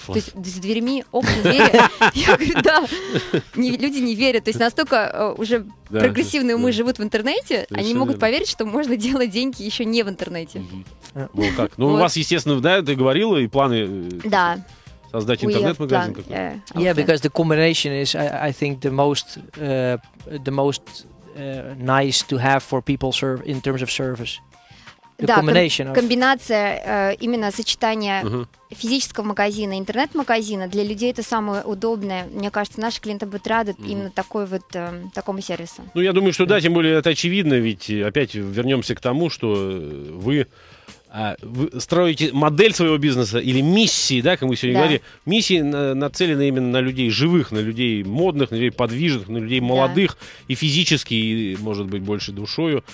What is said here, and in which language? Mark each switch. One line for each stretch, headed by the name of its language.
Russian: То есть с дверьми, окна, двери. Я говорю, да. Люди не верят. То есть настолько уже прогрессивные умы живут в интернете, они могут поверить, что можно делать деньги еще не в интернете. Ну как? Ну у вас, естественно, да, ты говорил, и планы создать интернет-магазин какой-то.
English: Yeah, because the combination is, I think, the most nice to have for people serve in terms of service.
Russian: Да, комбинация именно сочетания физического магазина и интернет-магазина для людей это самое удобное. Мне кажется, наши клиенты будут рады именно такой вот, такому сервису. Ну, я думаю, что да, тем более это очевидно, ведь опять вернемся к тому, что вы строите модель своего бизнеса или миссии, да, как мы сегодня говорили, миссии нацелены именно на людей живых, на людей модных, на людей подвижных, на людей молодых и физически, и, может быть, больше душою.